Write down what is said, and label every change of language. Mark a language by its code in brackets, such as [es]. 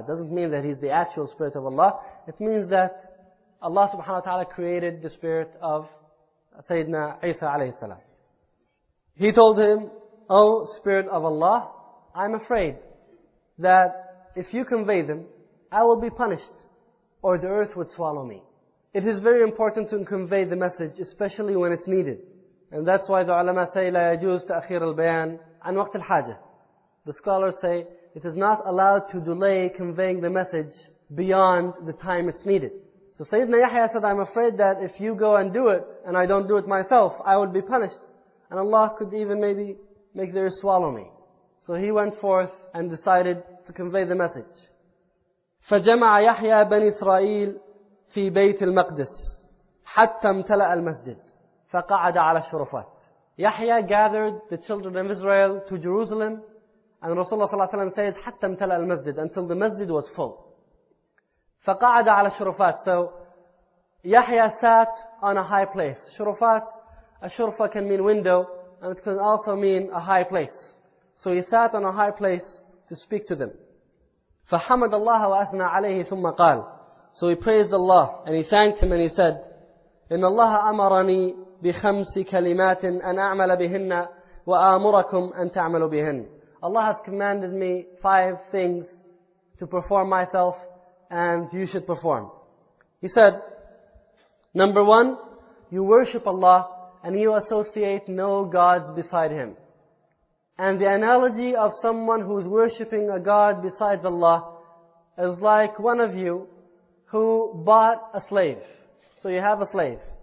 [en] It doesn't mean that he's the actual Spirit of Allah. It means that Allah subhanahu wa ta'ala created the Spirit of Sayyidina Isa alayhi salam. He told him, Oh, Spirit of Allah, I'm afraid that if you convey them, I will be punished or the earth would swallow me. It is very important to convey the message, especially when it's needed. And that's why the ulama say, [ar] لا يجوز تأخير البيان عن وقت الحاجة. [en] The scholars say, it is not allowed to delay conveying the message beyond the time it's needed. So Sayyidina Yahya said, I'm afraid that if you go and do it, and I don't do it myself, I would be punished. And Allah could even maybe make the earth swallow me. So he went forth and decided to convey the message. [ar] فَجَمَعَ يَحْيَى بَنِي إِسْرَائِيلَ فِي بَيْتِ الْمَقْدِسِ حَتَّى امْتَلَأَ الْمَسْجِدِ فَقَعَدَ عَلَى الشُّرُفَاتِ. [en] Yahya gathered the children of Israel to Jerusalem, and Rasulullah sallallahu alayhi wa sallam says, [ar] حَتَّى امْتَلَأَ الْمَسْجِدِ, [en] until the masjid was full. [ar] فَقَعَدَ عَلَى الشُّرُفَاتِ. [en] So Yahya sat on a high place. Shurufat, a shurufa can mean window, and it can also mean a high place. So he sat on a high place to speak to them. [ar] فَحَمَدَ اللَّهَ وَأَثْنَى عَلَيْهِ ثُمَّ قَالَ. [en] So he praised Allah and he thanked him and he said, [ar] إِنَّ اللَّهَ أَمَرَنِي بِخَمْسِ كَلِمَاتٍ أَنْ أَعْمَلَ بِهِنَّ وَآمُرَكُمْ أَنْ تَعْمَلُوا بِهِنَّ. [en] Allah has commanded me 5 things to perform myself and you should perform. He said, number 1, you worship Allah and you associate no gods beside Him. And the analogy of someone who is worshipping a god besides Allah is like one of you who bought a slave. So you have a slave.